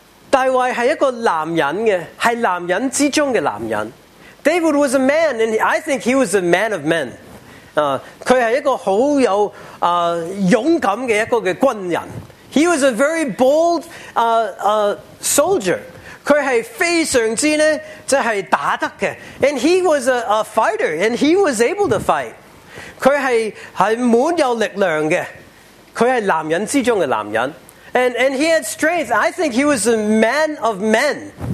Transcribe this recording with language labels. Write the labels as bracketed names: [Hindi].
[Chinese] 大卫是一个男人的，是男人之中的男人。 [English] David was a man, and I think he was a man of men. [Chinese] 他是一个很有勇敢的一个军人。 [English] He was a very bold soldier. [Chinese] 他是非常之呢，就是打得的。 [English] And he was a fighter, and he was able to fight. [Chinese] 他是满有力量的，他是男人之中的男人。 [English] And he had strength. I think he was a man of men.